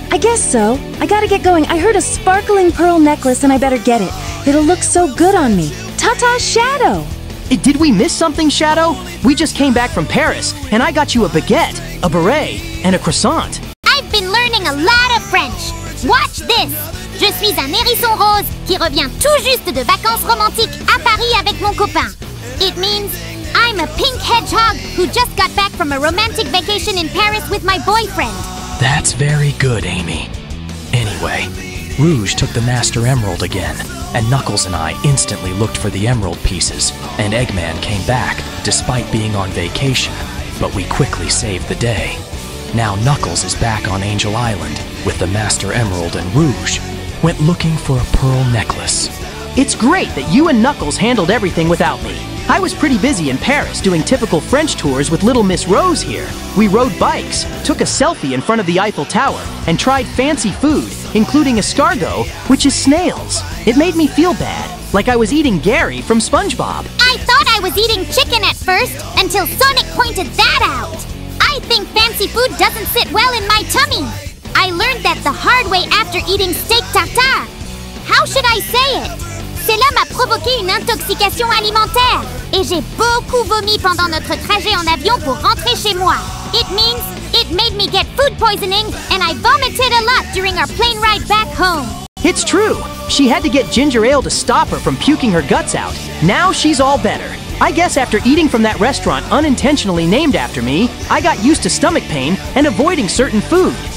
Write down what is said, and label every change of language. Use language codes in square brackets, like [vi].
[en] I guess so. I gotta get going. I heard a sparkling pearl necklace, and I better get it. It'll look so good on me. Ta-ta, Shadow! Did we miss something, Shadow? We just came back from Paris, and I got you a baguette, a beret, and a croissant. I've been learning a lot of French. Watch this! [fr] Je suis un hérisson rose qui revient tout juste de vacances romantiques à Paris avec mon copain. [en] It means... I'm a pink hedgehog who just got back from a romantic vacation in Paris with my boyfriend. That's very good, Amy. Anyway, Rouge took the Master Emerald again, and Knuckles and I instantly looked for the emerald pieces, and Eggman came back, despite being on vacation, but we quickly saved the day. Now Knuckles is back on Angel Island with the Master Emerald, and Rouge went looking for a pearl necklace. It's great that you and Knuckles handled everything without me. I was pretty busy in Paris doing typical French tours with Little Miss Rose here. We rode bikes, took a selfie in front of the Eiffel Tower, and tried fancy food, including escargot, which is snails. It made me feel bad, like I was eating Gary from SpongeBob. I thought I was eating chicken at first, until Sonic pointed that out. I think fancy food doesn't sit well in my tummy. I learned that the hard way after eating steak tartare. How should I say it? [fr] Cela m'a provoqué une intoxication alimentaire. Et j'ai beaucoup vomi pendant notre trajet en avion pour rentrer chez moi. [en] It means it made me get food poisoning and I vomited a lot during our plane ride back home. It's true. She had to get ginger ale to stop her from puking her guts out. Now she's all better. I guess after eating from that restaurant unintentionally named after me, I got used to stomach pain and avoiding certain food.